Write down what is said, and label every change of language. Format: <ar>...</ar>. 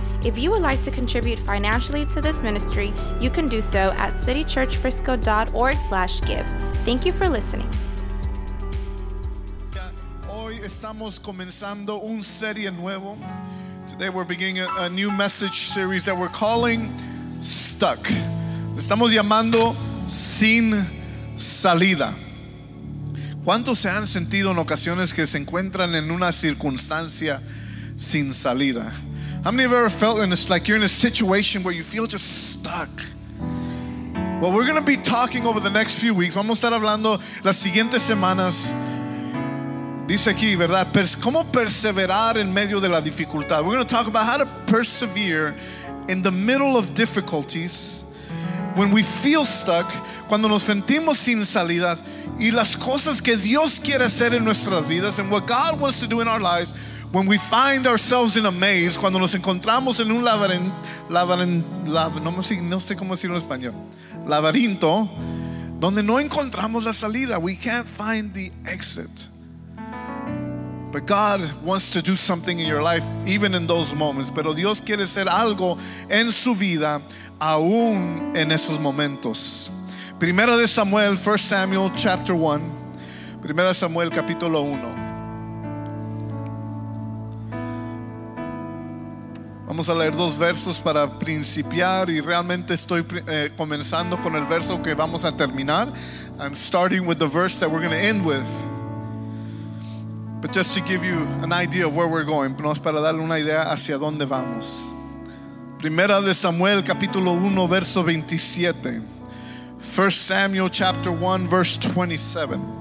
<en>If you would like to contribute financially to this ministry, you can do so at citychurchfrisco.org/give. Thank you for listening.</en> <es>Hoy estamos comenzando un serie nuevo.</es> <en>Today we're beginning a new message series that we're calling Stuck.</en> <es>Estamos llamando Sin Salida. ¿Cuántos se han sentido en ocasiones que se encuentran en una circunstancia sin salida?</es> <en>How many have ever felt and it's like you're in a situation where you feel just stuck? Well, we're going to be talking over the next few weeks.</en> <es>Vamos a estar hablando las siguientes semanas. Dice aquí, ¿verdad? ¿Cómo perseverar en medio de la dificultad?</es> <en>We're going to talk about how to persevere in the middle of difficulties when we feel stuck,</en> <es>cuando nos sentimos sin salida, y las cosas que Dios quiere hacer en nuestras vidas</es> <en>and what God wants to do in our lives. When we find ourselves in a maze,</en> <es>cuando nos encontramos en un laberinto, donde no encontramos la salida,</es> <en>we can't find the exit. But God wants to do something in your life, even in those moments.</en> <es>Pero Dios quiere hacer algo en su vida, aún en esos momentos. Primera de Samuel, 1 Samuel chapter 1. Primera de Samuel capítulo 1. Vamos a leer dos versos para principiar y realmente estoy comenzando con el verso que vamos a terminar.</es> <en>I'm starting with the verse that we're going to end with. But just to give you an idea of where we're going,</en> <es>no, es para darle una idea hacia dónde vamos. Primera de Samuel capítulo 1 verso 27.</es> <en>1 Samuel chapter 1 verse 27.</en>